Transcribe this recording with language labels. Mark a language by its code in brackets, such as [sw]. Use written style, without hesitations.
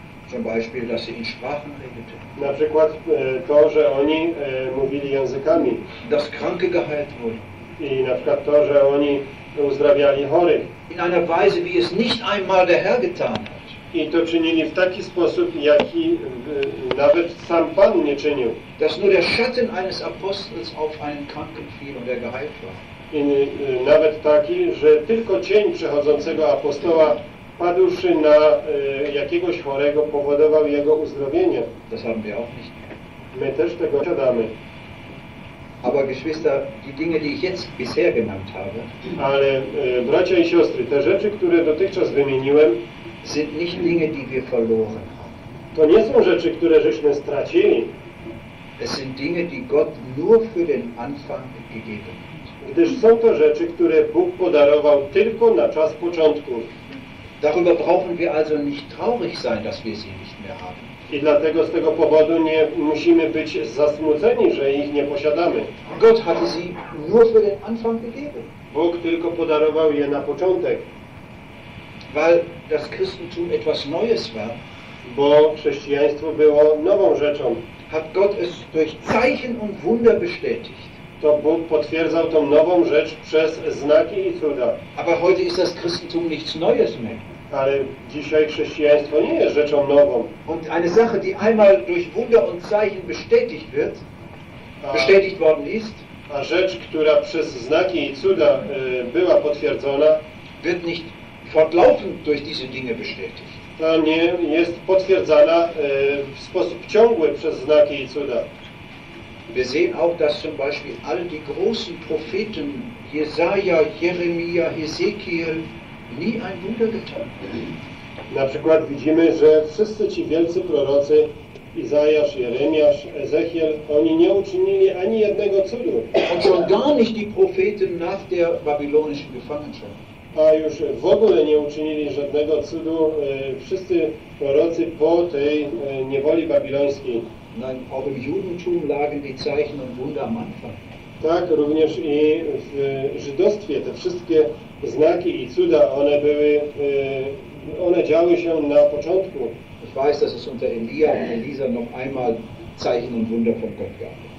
[de] Zum Beispiel, dass sie in Sprachen redete. [pl] Na przykład to, że oni mówili językami. [de] Dass Kranke geheilt wurden. [pl] I na przykład to, że oni uzdrawiali chorych. [de] In einer Weise, wie es nicht einmal der Herr getan hat. [pl] I to czynili w taki sposób, jaki nawet sam Pan nie czynił. [de] Dass nur der Schatten eines Apostels auf einen Kranken fiel und er geheilt war. [pl] I nawet taki, że tylko cień przechodzącego apostoła padłszy na jakiegoś chorego, powodował jego uzdrowienie. [de] Das haben wir auch nicht. [pl] My też tego posiadamy. [de] Aber Geschwister, die Dinge, die ich jetzt bisher genannt habe, [pl] ale bracia i siostry, te rzeczy, które dotychczas wymieniłem, [de] sind nicht Dinge, die wir verloren. [pl] To nie są rzeczy, które żeśmy stracili. [de] Es sind Dinge, die Gott nur für den Anfang gegeben hat. [pl] Gdyż są to rzeczy, które Bóg podarował tylko na czas początku. [de] Darüber brauchen wir also nicht traurig sein, dass wir sie nicht mehr haben. [pl] I dlatego z tego powodu nie musimy być zasmuceni, że ich nie posiadamy. [de] Gott hat sie nur für den Anfang gegeben. [pl] Bóg tylko podarował je na początek. [de] Weil das Christentum etwas Neues war. [pl] Bo chrześcijaństwo było nową rzeczą. [de] Hat Gott es durch Zeichen und Wunder bestätigt. [pl] To Bóg potwierdzał tą nową rzecz przez znaki i cuda. [de] Aber heute ist das Christentum nichts Neues mehr. [pl] Ale dzisiaj chrześcijaństwo nie jest rzeczą nową. [de] Und eine Sache, die einmal durch Wunder und Zeichen bestätigt wird, bestätigt worden ist, [pl] a rzecz, która przez znaki i cuda była potwierdzona, [de] wird nicht fortlaufend durch diese Dinge bestätigt. [pl] To nie jest potwierdzana w sposób ciągły przez znaki i cuda. [de] Wir sehen auch, dass zum Beispiel all die großen Propheten, Jesaja, Jeremia, Ezekiel, nie ein Wunder getan. [pl] Na przykład widzimy, że wszyscy ci wielcy prorocy, Izajasz, Jeremiasz, Ezechiel, oni nie uczynili ani jednego cudu. [de] Und schon gar nicht die Propheten nach der babylonischen Gefangenschaft. [pl] A już w ogóle nie uczynili żadnego cudu wszyscy prorocy po tej niewoli babilońskiej. [de] Nein, auch im Judentum lagen die Zeichen und Wunder am Anfang. [pl] Tak, również i w żydostwie te wszystkie znaki i cuda, one były, one działy się na początku. [de] Ich weiß, dass es unter Elia und Elisa noch einmal Zeichen und Wunder von Gott gab.